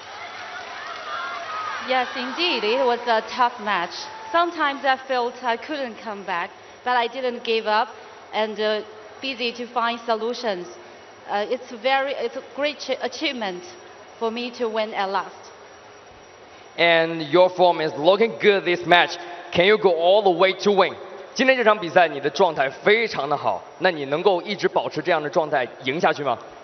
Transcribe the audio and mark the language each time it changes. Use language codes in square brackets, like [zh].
[zh] 憋着一口气，然后一直在想办法，最后能够赢回来，我觉得对自己来说，还是非常大的收获吧。 [en] Yes, indeed, it was a tough match. Sometimes I felt I couldn't come back, but I didn't give up and busy to find solutions. It's a great achievement for me to win at last. And your form is looking good this match. Can you go all the way to win? [zh] 今天这场比赛你的状态非常的好，那你能够一直保持这样的状态赢下去吗？